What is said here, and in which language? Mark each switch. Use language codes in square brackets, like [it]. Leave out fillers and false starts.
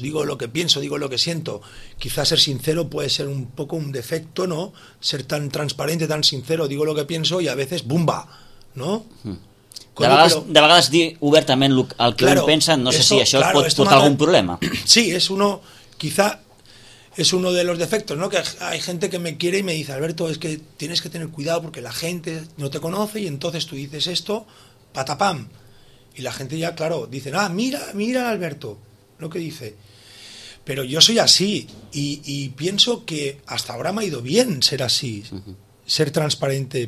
[es] Digo lo que pienso, digo lo que siento. Quizás ser sincero puede ser un poco un defecto, ¿no? Ser tan transparente, tan sincero, digo lo que pienso y a veces ¡bumba!, ¿no? [ca] De vegades dir obertament el que un pensa, no sé si això pot portar algun problema. [es] Sí, és uno, quizá és uno de los defectos, ¿no? Que hay gente que me quiere y me dice, Alberto, es que tienes que tener cuidado porque la gente no te conoce y entonces tú dices esto, patapam. Y la gente ya, claro, dice, ah, mira Alberto, lo que dice. Pero yo soy así y pienso que hasta ahora me ha ido bien ser así, ser transparente.